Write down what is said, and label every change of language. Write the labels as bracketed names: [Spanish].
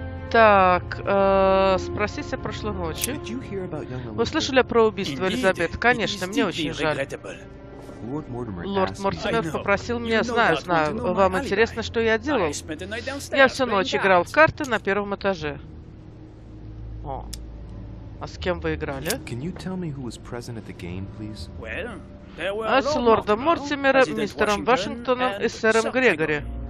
[Russian] Так, спросите о прошлой ночи. Вы слышали про убийство Элизабет? Конечно, мне очень жаль. Лорд Мортимер попросил меня... Знаю. Вам интересно, что я делал? Я всю ночь играл в карты на первом этаже. О. А с кем вы играли? [English] Can you tell me who was present at the game, please? Well, there were a lot of people. [Russian] С лордом Мортимером, мистером Вашингтоном и сэром Грегори.